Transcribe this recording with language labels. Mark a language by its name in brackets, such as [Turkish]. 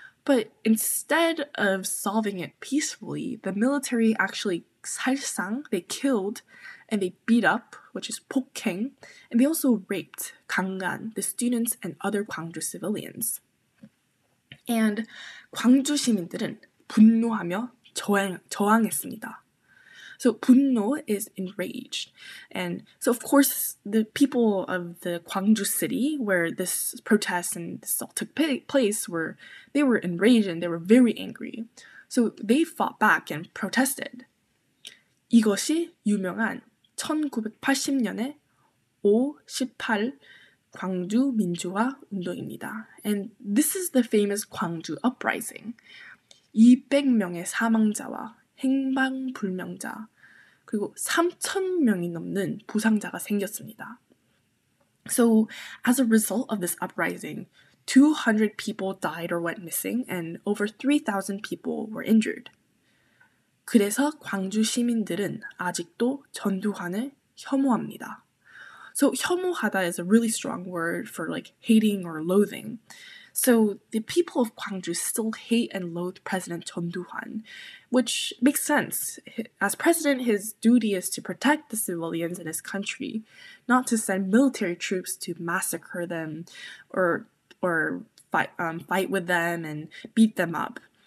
[English] But instead of solving it peacefully, the military actually 살상, they killed and they beat up, which is 폭행, and they also raped 강간, the students and other Gwangju civilians. [Korean] And 광주 시민들은 분노하며 저항했습니다. [English] So 분노 is enraged. And so of course the people of the Gwangju city where this protest and this all took place were, they were enraged and they were very angry. So they fought back and protested. [Korean] 이것이 유명한 1980년의 5·18 광주 민주화 운동입니다. [English] And this is the famous Gwangju uprising. [Korean] 200명의 사망자와 행방불명자 그리고 3,000명이 넘는 부상자가 생겼습니다. [English] So, as a result of this uprising, 200 people died or went missing, and over 3,000 people were injured. [Korean] 그래서 광주 시민들은 아직도 전두환을 혐오합니다. [English] So, 혐오하다 is a really strong word for like hating or loathing. So, the people of Gwangju still hate and loathe President 전두환, which makes sense. As president, his duty is to protect the civilians in his country, not to send military troops to massacre them or fight with them and beat them up.